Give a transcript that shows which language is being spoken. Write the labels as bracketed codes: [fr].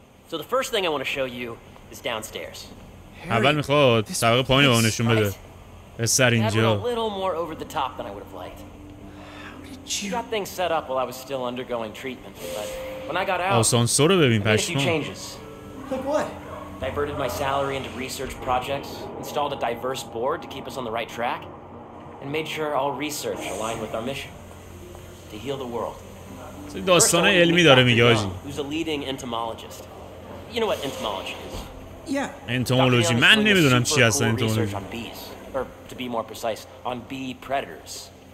[en] So the first thing I want to show you is downstairs. [fa] اول میخواد طبقه پایین رو نشون بده. از سر اینجا. [en] A little more over the top than I would have liked. How did you got things set up while I was still undergoing treatment, but when I got out. [fa] آسانسور رو ببین پشمون. [en] Like changes. Like what? Diverted my salary into research projects, installed a diverse board to keep us on the right track, and made sure all research aligned with our mission to heal the world. [fa] این داستان علمی داره میگه آجی. [en] Who's a leading entomologist? You know what entomology is? Yeah. Entomology. [fa] من نمیدونم چی هست entomology. [en] Research on bees, or to be more precise, on bee predators.